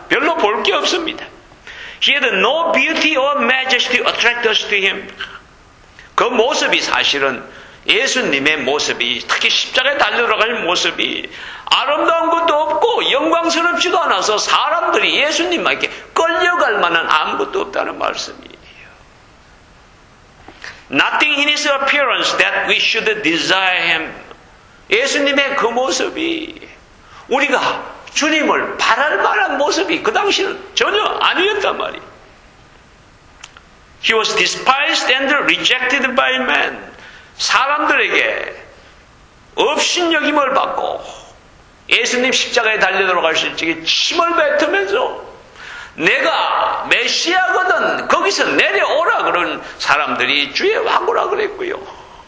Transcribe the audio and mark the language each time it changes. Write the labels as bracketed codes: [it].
[ko] 별로 볼 게 없습니다. [en] He had no beauty or majesty attract us to him. [ko] 그 모습이 사실은 예수님의 모습이 특히 십자가에 달려들어갈 모습이 아름다운 것도 없고 영광스럽지도 않아서 사람들이 예수님에게 끌려갈 만한 아무것도 없다는 말씀이에요. [en] Nothing in his appearance that we should desire him. [ko] 예수님의 그 모습이 우리가 주님을 바랄 만한 모습이 그 당시는 전혀 아니었단 말이에요. [en] He was despised and rejected by men. [ko] 사람들에게 업신여김을 받고 예수님 십자가에 달려 돌아가실 적에 침을 뱉으면서 내가 메시아거든 거기서 내려오라 그런 사람들이 주의 왕구라 그랬고요.